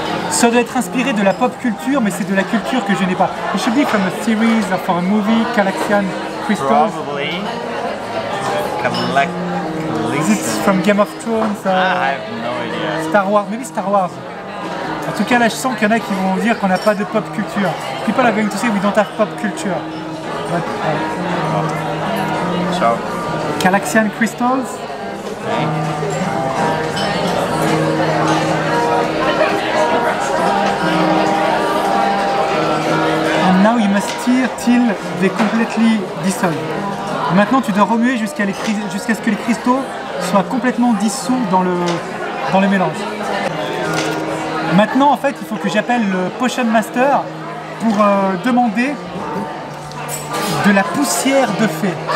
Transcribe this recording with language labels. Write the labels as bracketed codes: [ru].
[fr] Ça doit être inspiré de la pop culture, mais c'est de la culture que je n'ai pas. [en] It should be from a series or from a movie, Galaxian crystals. Probably. Galaxian. Is it from Game of Thrones? I have no idea. Star Wars, maybe Star Wars. [fr] En tout cas, là, je sens qu'il y en a qui vont dire qu'on n'a pas de pop culture. [en] People are going to say we don't have pop culture. But, So. Galaxian crystals? Now you must stir till they completely dissolve. [fr] Maintenant tu dois remuer jusqu'à ce que les cristaux soient complètement dissous dans le mélange. Maintenant en fait il faut que j'appelle le Potion Master pour demander de la poussière de fée.